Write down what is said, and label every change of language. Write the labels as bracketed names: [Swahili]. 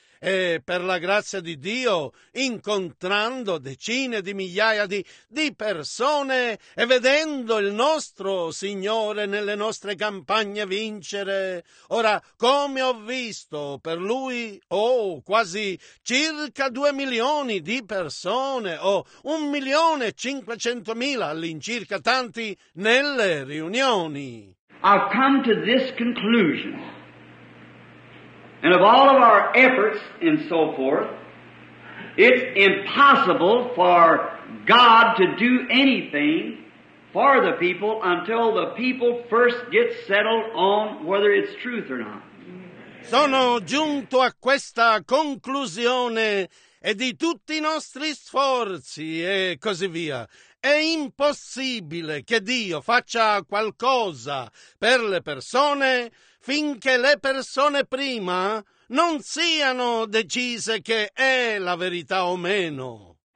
[Italian] e per la grazia di Dio, incontrando decine di migliaia di persone e vedendo il nostro Signore nelle nostre campagne vincere. Ora, come ho visto per Lui, quasi circa 2 milioni di persone, 1.500.000 all'incirca, tanti nelle riunioni. [English] I've come to this conclusion. And of all of our efforts and so forth, it's impossible for God to do anything for the people until the people first get settled on whether it's truth or not. [Italian] Sono giunto a questa conclusione e di tutti i nostri sforzi e così via. È impossibile che Dio faccia qualcosa per le persone finché le persone prima non siano decise che è la verità o meno.